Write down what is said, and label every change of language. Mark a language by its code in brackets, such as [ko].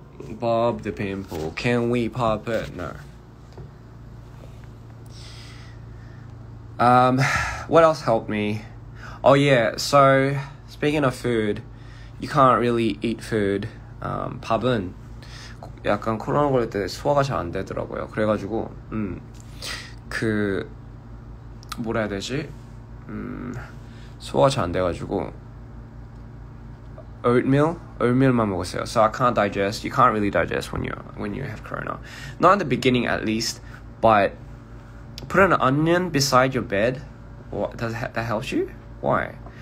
[en] Bob the pimple. Can we pop it? No. What else helped me? Oh yeah, so speaking of food, you can't really eat food. [ko] 밥은 약간 코로나 걸릴 때 소화가 잘 안 되더라고요. 그래가지고 그 뭐라 해야 되지? 소화 잘 안 돼가지고 oatmeal만 먹었어요. [en] So I can't digest. You can't really digest when you have corona. Not in the beginning, at least. But put an onion beside your bed, What, does that help you? Why?